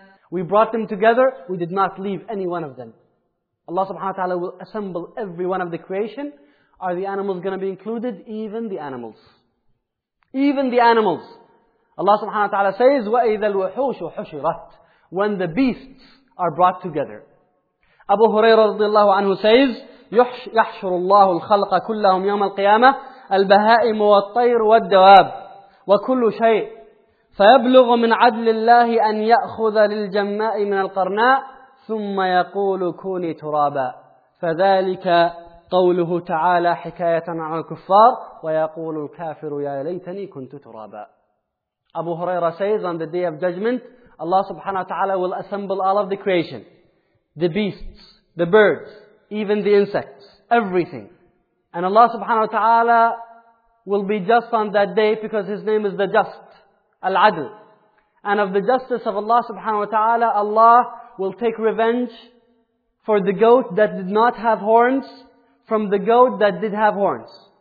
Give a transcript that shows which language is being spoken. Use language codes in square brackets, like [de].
[en] We brought them together, we did not leave any one of them. Allah subhanahu wa ta'ala will assemble every one of the creation. Are the animals going to be included? Even the animals. Even the animals. [ar] Allah subhanahu wa ta'ala says, وَإِذَا الْوَحُوشُ حُشِرَتْ [en] When the beasts are brought together. [ar] Abu Hurairah radiallahu anhu says, يَحْشُرُ اللَّهُ الْخَلْقَ كُلَّهُمْ يَوْمَ الْقِيَامَةِ الْبَهَائِمُ وَالطَّيْرُ وَالدَّوَابُ وَكُلُّ شَيْءٍ فَيَبْلُغُ مِنْ عَدْلِ اللَّهِ أَنْ يَأْخُذَ لِلْجَمَّاءِ مِنَ الْقَرْنَاءِ ثُمَّ يَقُولُ كُونِي تُرَابًا فَذَلِكَ قَوْلُهُ تَعَالَى حِكَايَةً عَنِ الْكُفَّارِ وَيَقُولُ الْكَافِرُ يَا لَيْتَنِي كُنْتُ تُرَابًا Abu Huraira [en] says, on the day of judgment, Allah subhanahu wa ta'ala will assemble all of the creation. The beasts, the birds, even the insects, everything. And Allah subhanahu wa ta'ala will be just on that day because His name is the Just. Al-Adl. And of the justice of Allah subhanahu wa ta'ala, Allah will take revenge for the goat that did not have horns from the goat that did have horns.